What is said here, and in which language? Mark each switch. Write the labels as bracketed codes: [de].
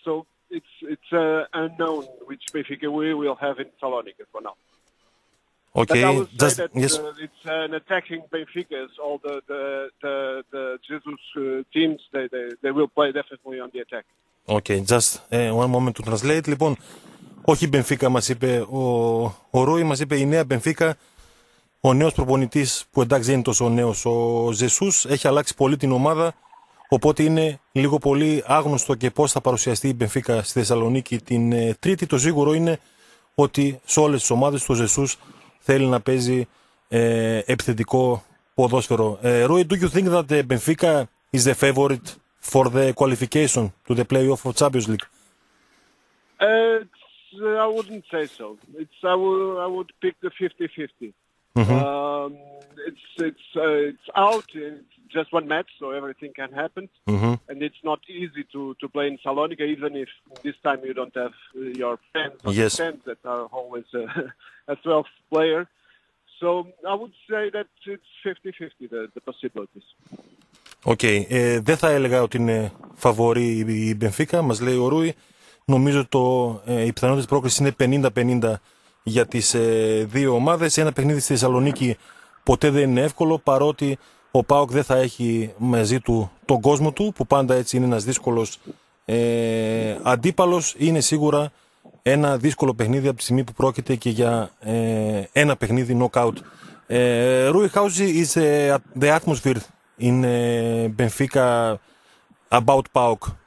[en] So it's unknown which Benfica we will have in Thessaloniki for now. Okay. But I would say that, yes. It's an attacking Benfica. All the Jesus teams they will play definitely on the attack. Okay, just one moment to translate. [el] Λοιπόν, όχι Benfica, μας είπε ο Ρούι, μας είπε η νέα Benfica, ο νέος προπονητής που εντάξει είναι τόσο νέος ο Ζεσούς, έχει αλλάξει πολύ την ομάδα, οπότε είναι λίγο πολύ άγνωστο και πώς θα παρουσιαστεί η Benfica στη Θεσσαλονίκη την Τρίτη. Το σίγουρο είναι ότι σε όλες τις ομάδες του Ζεσούς θέλει να παίζει επιθετικό ποδόσφαιρο. [en] Ρούι, do you think that the Benfica is the favorite for the qualification to the playoff of Champions League? I wouldn't say so. I would pick the 50-50. Mm-hmm. It's out in just one match, so everything can happen. Mm-hmm. And it's not easy to play in Salonika, even if this time you don't have your fans. Yes. Fans that are always a 12th player. So I would say that it's 50-50, the possibilities. Okay. [el] Δεν θα έλεγα ότι είναι φαβορή η Μπενφίκα, μας λέει ο Ρούι. Νομίζω ότι οι πιθανότητες πρόκρισης είναι 50-50 για τις δύο ομάδες. Ένα παιχνίδι στη Θεσσαλονίκη ποτέ δεν είναι εύκολο, παρότι ο ΠΑΟΚ δεν θα έχει μαζί του τον κόσμο του, που πάντα έτσι είναι ένας δύσκολος αντίπαλος. Είναι σίγουρα ένα δύσκολο παιχνίδι από τη στιγμή που πρόκειται και για ένα παιχνίδι knockout. [en] Ρούι, how is the atmosphere in Benfica about ΠΑΟΚ?